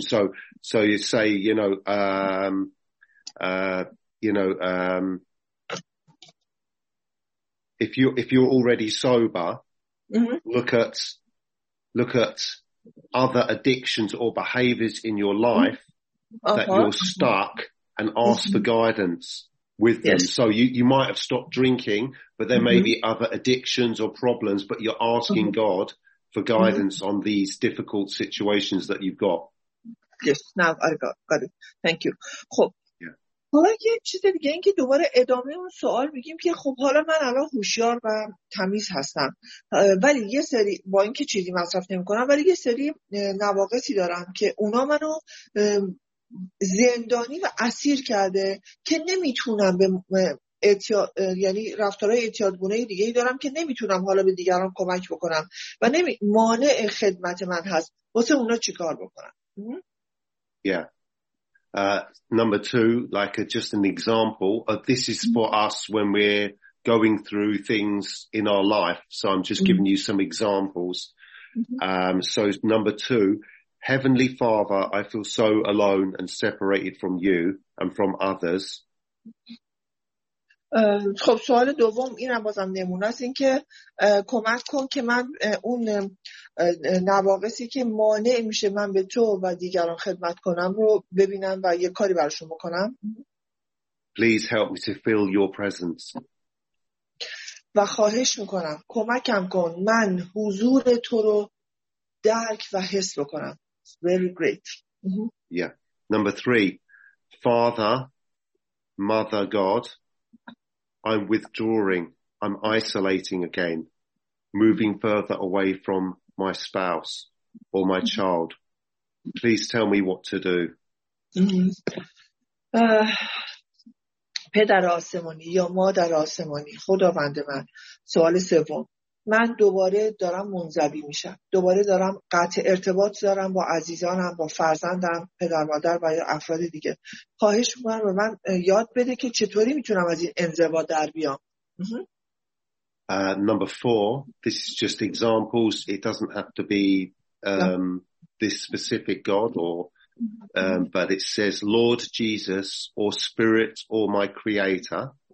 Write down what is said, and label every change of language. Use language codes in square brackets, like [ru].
[en] So you say, if you're already sober, look at other addictions or behaviors in your life that you're stuck and ask for guidance with them. Yes. So you might have stopped drinking, but there may be other addictions or problems, but you're asking God for guidance on these difficult situations that you've got. Yes, now I got it. Thank you. خب. Yeah. [fa] حالا یه چیز دیگه این که دوباره ادامه اون سوال بگیم که خب حالا من الان هوشیار و تمیز هستم. ولی یه سری با این که چیزی مصرف نمی کنم ولی یه سری نواقصی دارم که اونا منو زندانی و اسیر کرده که نمیتونم به یعنی رفتارهای اعتیادگونه دیگه ای دارم که نمیتونم حالا به دیگران کمک بکنم و مانع خدمت من هست، واسه اونا چی کار بکنم؟ [en] Yeah. Number 2, like just an example, this is for us when we're going through things in our life, so I'm just giving you some examples. So number 2, Heavenly Father, I feel so alone and separated from you and from others. [fa] خب سوال دوم این هم بازم نمونه است، این که کمک کن که من اون نواقصی که مانع میشه من به تو و دیگران خدمت کنم رو ببینم و یه کاری براشون بکنم. [en] Please help me to feel your presence. [fa] و خواهش میکنم کمکم کن من حضور تو رو درک و حس بکنم. [en] Very great. Yeah. Number three. Father, Mother God, I'm withdrawing, I'm isolating again, moving further away from my spouse or my child. Please tell me what to do. [fa] پدر آسمانی یا مادر آسمانی، خداوند من، سوال سوم، من دوباره دارم منزوی میشم، دوباره دارم قطع ارتباط دارم با عزیزانم، با فرزندم، پدر مادر و یا افراد دیگه. خواهش می‌کنم به من یاد بده که چطوری میتونم از این انزوا در بیام. [en] Number four, this is just examples. It doesn't have to be this specific God or but it says Lord Jesus or Spirit or my Creator.